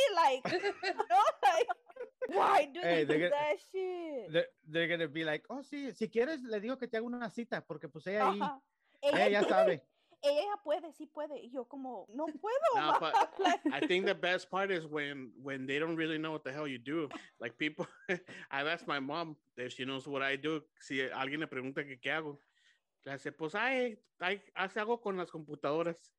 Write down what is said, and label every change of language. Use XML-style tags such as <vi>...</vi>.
<en>Like, no, like, why do they do that shit? They're gonna be like, oh,</en> <es>sí, si quieres, le digo que te haga una cita, porque pues ella ahí, ella ya sabe. Ella puede, sí puede. Y yo como, no puedo.</es> <en>No, but I think the best part is when they don't really know what the hell you do. Like people, I've asked my mom if she knows what I do.</en> <es>Si alguien le pregunta que qué hago. Le dice, pues, ay, hace algo con las computadoras.</es>